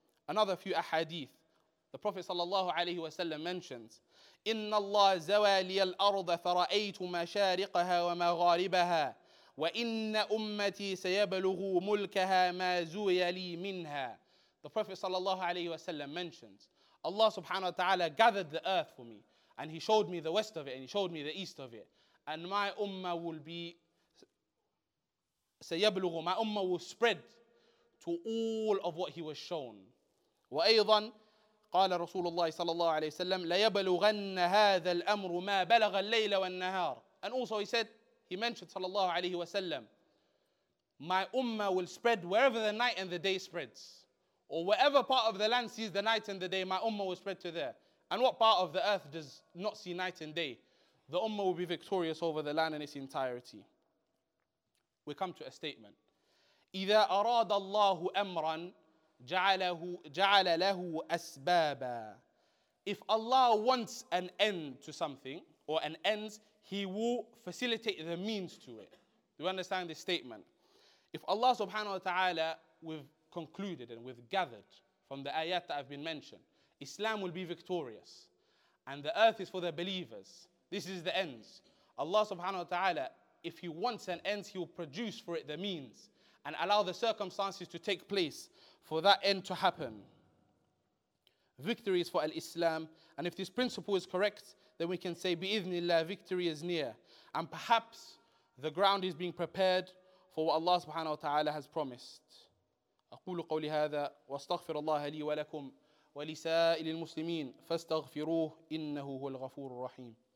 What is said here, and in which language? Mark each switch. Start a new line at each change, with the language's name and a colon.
English: Another few ahadith. The Prophet sallallahu alayhi wa sallam mentions,
Arabic: إِنَّ اللَّهَ زَوَى لِيَ الْأَرْضَ فَرَأَيْتُ مَشَارِقَهَا وَمَغَارِبَهَا وَإِنَّ أُمَّتِي سَيَبْلُغُ مُلْكَهَا مَا زُوِيَ لِي مِنْهَا.
English: The Prophet sallallahu alayhi wa sallam mentions, Allah subhanahu wa ta'ala gathered the earth for me, and He showed me the west of it, and He showed me the east of it, and my ummah will be سَيَبْلُغُ. My ummah will spread to all of what He was shown.
Arabic: وَأَيْضًا قال رسول الله صلى الله عليه وسلم لا يبلغن هذا الأمر ما بلغ الليل والنهار.
English: And also he mentioned
Arabic: صلى الله عليه وسلم,
English: my ummah will spread wherever the night and the day spreads, or wherever part of the land sees the night and the day, my ummah will spread to there. And what part of the earth does not see night and day, the ummah will be victorious over the land in its entirety. We come to a statement.
Arabic: إذا أراد الله أمرا جعل له أسبابا.
English: If Allah wants an end to something or an ends, He will facilitate the means to it. Do you understand this statement? If Allah subhanahu wa ta'ala, we've concluded and we've gathered from the ayat that have been mentioned, Islam will be victorious and the earth is for the believers. This is the ends. Allah subhanahu wa ta'ala, if He wants an ends, He will produce for it the means and allow the circumstances to take place for that end to happen. Victory is for al-Islam. And if this principle is correct, then we can say, bi-idhnillah, victory is near. And perhaps the ground is being prepared for what Allah subhanahu wa ta'ala has promised.
Arabic: أقول قولي هذا واستغفر الله لي ولكم ولسائر المسلمين فاستغفروه إنه هو الغفور الرحيم.